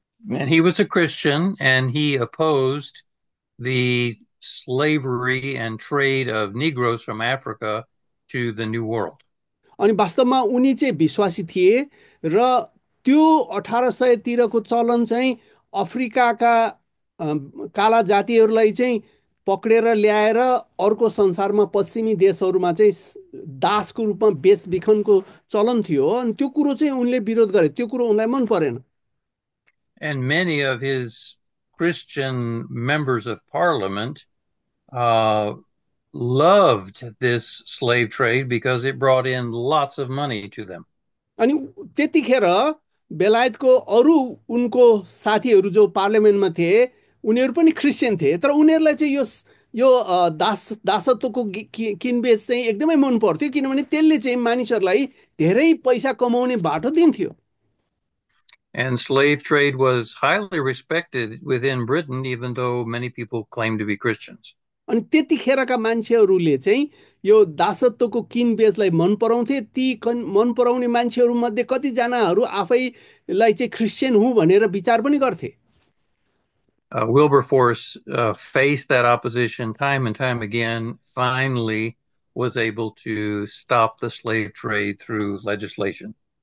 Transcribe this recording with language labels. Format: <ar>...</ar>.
<en>And he was a Christian, and he opposed the slavery and trade of Negroes from Africa to the New World.</en> <ne>अनि वास्तवमा उनी चाहिँ विश्वासी थिए र त्यो 1800 तिरको चलन चाहिँ अफ्रिकाका काला जातिहरूलाई चाहिँ पक्रेर ल्याएर अर्को संसारमा पश्चिमी देशहरूमा चाहिँ दासको रूपमा बेचबिखनको चलन थियो, अनि त्यो कुरो चाहिँ उनले विरोध गरे, त्यो कुरो उनलाई मन परेन।</ne> <en>And many of his Christian members of parliament loved this slave trade because it brought in lots of money to them.</en> <ne>अनि त्यतिखेर बेलायतको अरू उनको साथीहरू जो पार्लियामेन्टमा थिए उनीहरू पनि क्रिस्चियन थिए, तर उनीहरूलाई चाहिँ यो दासत्वको किनबेच चाहिँ एकदमै मन पर्थ्यो किनभने त्यसले चाहिँ मानिसहरूलाई धेरै पैसा कमाउने बाटो दिन्थ्यो।</ne> <en>And slave trade was highly respected within Britain, even though many people claimed to be Christians.</en> <ne>अनि त्यतिखेरका मान्छेहरूले चाहिँ यो दासत्वको किनबेचलाई मन पराउँथे, ती मन पराउने मान्छेहरूमध्ये कतिजनाहरू आफैलाई चाहिँ क्रिस्चियन हुँ भनेर विचार पनि गर्थे।</ne> <en>Wilberforce faced that opposition time and time again, finally was able to stop the slave trade through legislation.</en>